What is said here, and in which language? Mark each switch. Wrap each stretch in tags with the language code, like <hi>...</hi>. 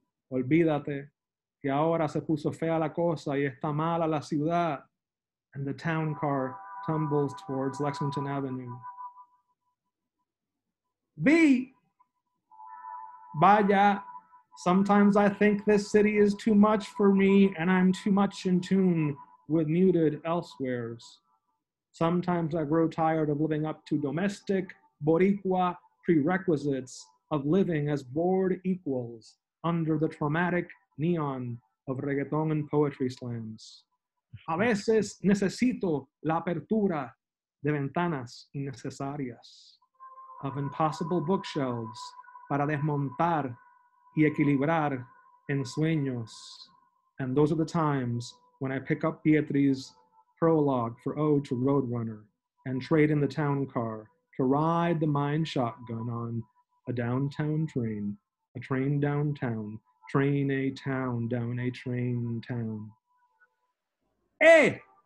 <es>Olvídate que ahora se puso fea la cosa y está mala la ciudad.</es> <en>And the town car tumbles towards Lexington Avenue. B! Vaya! Sometimes I think this city is too much for me and I'm too much in tune with muted elsewheres. Sometimes I grow tired of living up to domestic Boricua prerequisites of living as bored equals under the traumatic neon of reggaeton and poetry slams.</en> <es>A veces necesito la apertura de ventanas innecesarias,</es> <en>of impossible bookshelves</en> <es>para desmontar y equilibrar ensueños.</es> <en>And those are the times when I pick up Pietri's prologue for Ode to Roadrunner and trade in the town car to ride the mine shotgun on a downtown train, a train downtown, train a town down a train town. Hey!</en>